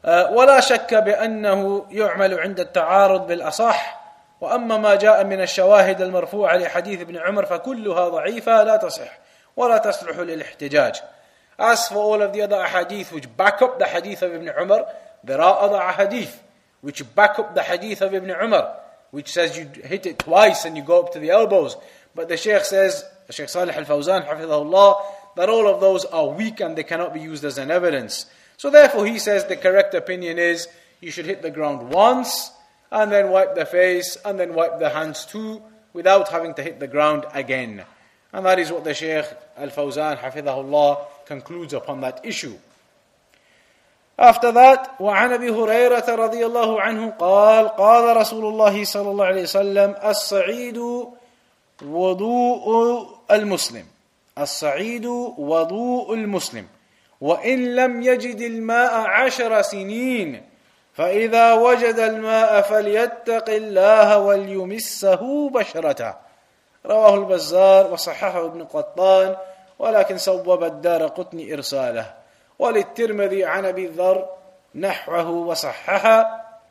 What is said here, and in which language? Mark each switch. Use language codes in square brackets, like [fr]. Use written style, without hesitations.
[ar] ولا شك بأنه يعمل عند التعارض بالأصح وأما ما جاء من الشواهد المرفوعة لحديث ابن عمر فكلها ضعيفة لا تصح ولا تصلح للاحتجاج. [en] As for all of the other hadith which back up the hadith of Ibn Umar, There are other ahadith which back up the hadith of Ibn Umar, which says you hit it twice and you go up to the elbows. But the Shaykh says, Shaykh Salih Al-Fawzan, hafizahullah, that all of those are weak and they cannot be used as an evidence. So therefore he says the correct opinion is, you should hit the ground once, and then wipe the face, and then wipe the hands too, without having to hit the ground again. And that is what the Shaykh Al-Fawzan, hafizahullah, concludes upon that issue. After that, [ar] وعن أبي هريرة رضي الله عنه قال قال رسول الله صلى الله عليه وسلم الصعيد وضوء المسلم الصعيد وضوء المسلم وإن لم يجد الماء عشر سنين فإذا وجد الماء فليتق الله وليمسه بشرته رواه البزار وصححه ابن قطان ولكن صوب الدار قطني إرساله وللترمذي عن أبي الذر نحوه وصححه